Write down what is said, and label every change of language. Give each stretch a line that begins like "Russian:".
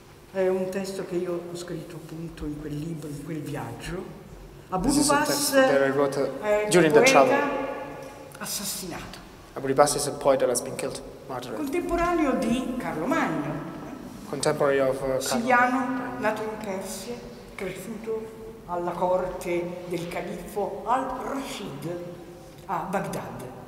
Italian: È un testo che io ho scritto appunto in quel libro, in quel viaggio. Abu Nuwas
English: during the travel.
Italian: Assassinato.
English: Abu Nuwas is a poet that has been killed, murdered.
Italian: Contemporaneo di Carlo Magno.
English: Contemporary of Carlo.
Italian: Siriano, nato in Persia, cresciuto alla corte del califfo al-Rashid a Baghdad.